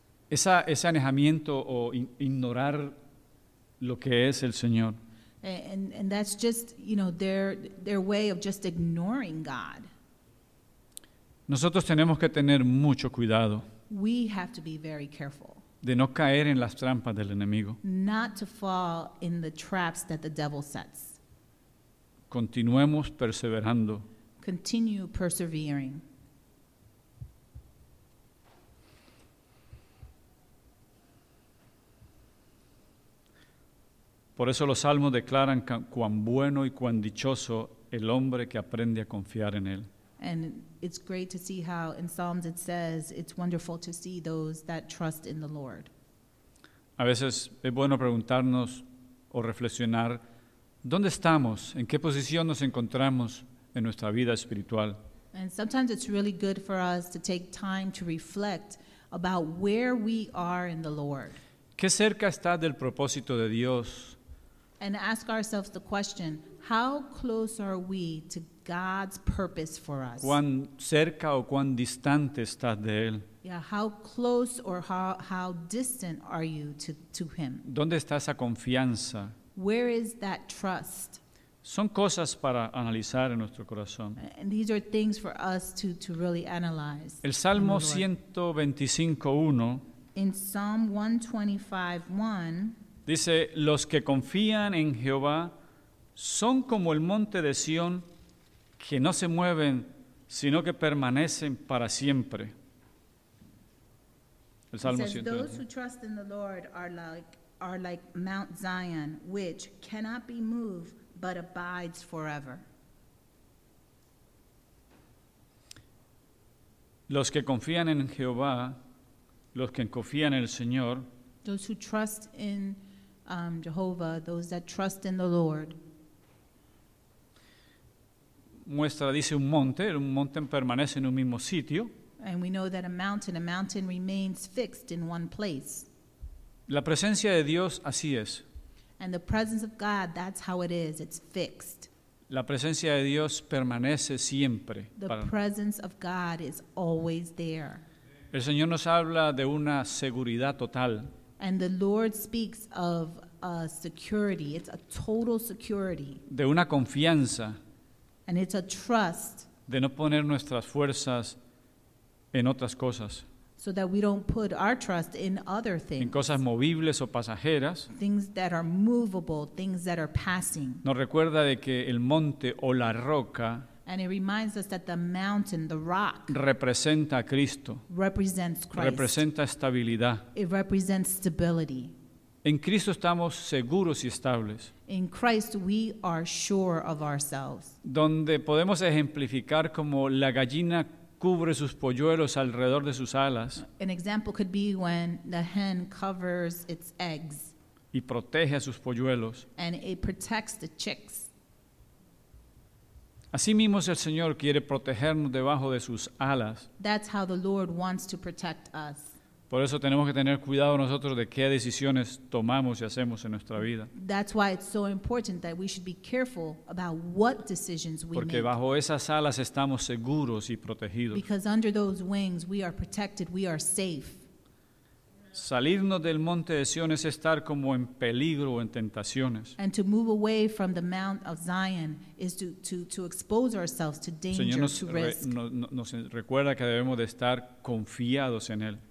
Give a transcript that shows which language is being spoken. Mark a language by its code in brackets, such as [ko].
[es] Ese anejamiento o ignorar lo que es el Señor. [en] And that's just, you know, their way of just ignoring God. [es] Nosotros tenemos que tener mucho cuidado. [en] We have to be very careful. [es] De no caer en las trampas del enemigo. [en] Not to fall in the traps that the devil sets. [es] Continuemos perseverando. [en] Continue persevering. [es] Por eso los salmos declaran cuán bueno y cuán dichoso el hombre que aprende a confiar en él. [en] And it's great to see how in Psalms it says it's wonderful to see those that trust in the Lord. [es] A veces es bueno preguntarnos o reflexionar, ¿dónde estamos? ¿En qué posición nos encontramos en nuestra vida espiritual? [en] And sometimes it's really good for us to take time to reflect about where we are in the Lord. [es] ¿Qué cerca está del propósito de Dios? [en] And ask ourselves the question, how close are we to God's purpose for us. [es] ¿Cuán cerca o cuán distante estás de él? [en] Yeah, how close or how distant are you to him? [es] ¿Dónde está esa confianza? [en] Where is that trust? [es] Son cosas para analizar en nuestro corazón. [en] And these are things for us to really analyze. [es] El Salmo 125:1 [en] In Psalm 125:1 [es] dice, los que confían en Jehová son como el monte de Sion, que no se mueven, sino que permanecen para siempre. El Salmo 125. [en] Those who trust in the Lord are like Mount Zion, which cannot be moved, but abides forever. [es] Los que confían en Jehová, los que confían en el Señor. [en] Those who trust in Jehovah, those that trust in the Lord. [es] Muestra, dice, un monte permanece en un mismo sitio. [en] And we know that a mountain remains fixed in one place. [es] La presencia de Dios, así es. [en] And the presence of God, that's how it is, it's fixed. [es] La presencia de Dios permanece siempre. [en] The presence of God is always there. [es] El Señor nos habla de una seguridad total. [en] And the Lord speaks of a security, it's a total security. [es] De una confianza. [en] And it's a trust. [es] De no poner nuestras fuerzas en otras cosas. [en] So that we don't put our trust in other things. [es] En cosas movibles o pasajeras. [en] Things that are movable, things that are passing. [es] Nos recuerda de que el monte o la roca. [en] And it reminds us that the mountain, the rock. [es] Representa a Cristo. [en] Represents Christ. [es] Representa estabilidad. [en] It represents stability. [es] En Cristo estamos seguros y estables. [en] In Christ we are sure of ourselves. [es] Donde podemos ejemplificar como la gallina cubre sus polluelos alrededor de sus alas. [en] An example could be when the hen covers its eggs. [es] Y protege a sus polluelos. [en] And it protects the chicks. [es] Así mismo el Señor quiere protegernos debajo de sus alas. [en] That's how the Lord wants to protect us. [es] Por eso tenemos que tener cuidado nosotros de qué decisiones tomamos y hacemos en nuestra vida. [en] That's why it's so important that we should be careful about what decisions we make. [es] Porque bajo esas alas estamos seguros y protegidos. [en] Because under those wings we are protected, we are safe. [es] Salirnos del monte de Sion es estar como en peligro o en tentaciones. [en] And to move away from the Mount of Zion is to expose ourselves to danger, [es] Señor nos [en] to risk. [es] Nos recuerda que debemos de estar confiados en Él.